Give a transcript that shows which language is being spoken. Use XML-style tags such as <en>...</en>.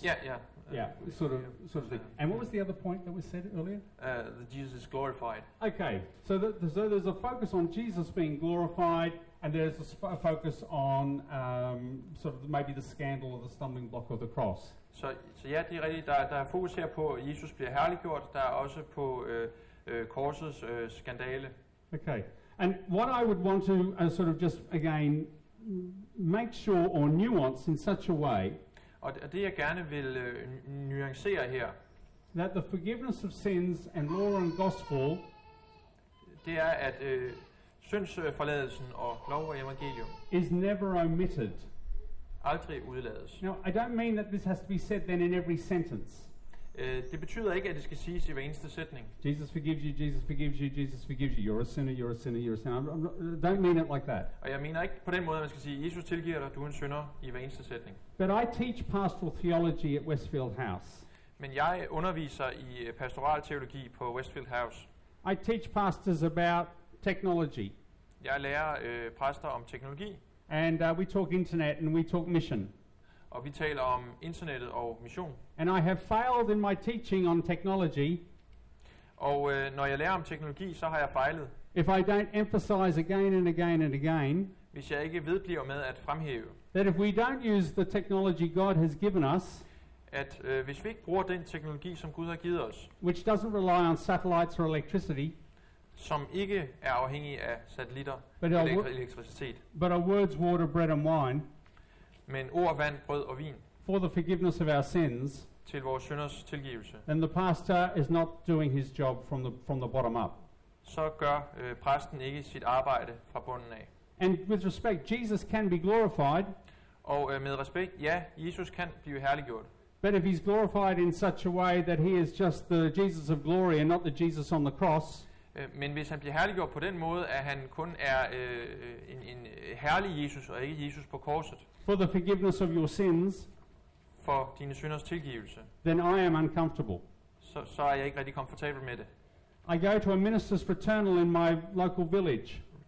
<en>Yeah, yeah. Yeah, sort of thing. And what was the other point that was said earlier? That Jesus is glorified. Okay, so so there's a focus on Jesus being glorified, and there's a focus on sort of maybe the scandal or the stumbling block of the cross.</en> <da>Så ja, det er rigtigt. Der er fokus her på, at Jesus bliver herliggjort. Der er også på korsets skandale.</da> <en>Okay, and what I would want to sort of just again make sure or nuance in such a way.</en> <da>Og det jeg gerne vil nuancere her.</da> <en>That the forgiveness of sins and law and gospel.</en> <da>Det er at syndsforladelsen og lov og evangelium.</da> <en>Is never omitted.</en> <da>Aldrig udlades.</da> <en>Now I don't mean that this has to be said then in every sentence.</en> <da>Det betyder ikke at det skal siges i hver eneste sætning.</da> <en>Jesus forgives you, Jesus forgives you, Jesus forgives you. You're a sinner, you're a sinner, you're a sinner. I don't mean it like that.</en> <da>Og jeg mener ikke på den måde at man skal sige Jesus tilgiver dig, du er en synder i hver eneste sætning.</da> <en>But I teach pastoral theology at Westfield House.</en> <da>Men jeg underviser i pastoral teologi på Westfield House.</da> <en>I teach pastors about technology.</en> <da>Jeg lærer præster om teknologi.</da> <en>And we talk internet and we talk mission.</en> <da>Og vi taler om internettet og mission.</da> <en>And I have failed in my teaching on technology.</en> <da>Og når jeg lærer om teknologi, så har jeg fejlet.</da> <en>If I don't emphasize again and again and again.</en> <da>Hvis jeg ikke vedbliver med at fremhæve.</da> <en>That if we don't use the technology God has given us.</en> <da>At hvis vi ikke bruger den teknologi, som Gud har givet os.</da> <en>Which doesn't rely on satellites or electricity.</en> <da>Som ikke er afhængig af satellitter eller elektricitet.</da> <en>But our words, water, bread and wine.</en> <da>Men ord, vand, brød og vin.</da> <en>For the forgiveness of our sins.</en> <da>Til vores synders tilgivelse.</da> <en>And the pastor is not doing his job from the bottom up.</en> <da>Så gør præsten ikke sit arbejde fra bunden af.</da> <en>And with respect, Jesus can be glorified.</en> <da>Og med respekt, ja, Jesus kan blive herliggjort.</da> <en>But if he's glorified in such a way that he is just the Jesus of glory and not the Jesus on the cross.</en> <da>Men hvis han bliver herliggjort på den måde, at han kun er en herlig Jesus og ikke Jesus på korset.</da> <en>For the forgiveness of your sins.</en> <da>For dine synders tilgivelse.</da> <en>Then I am uncomfortable.</en> <da>Så er jeg ikke rigtig komfortabel med det.</da> <en>I go to a minister's fraternal in my local village.</en>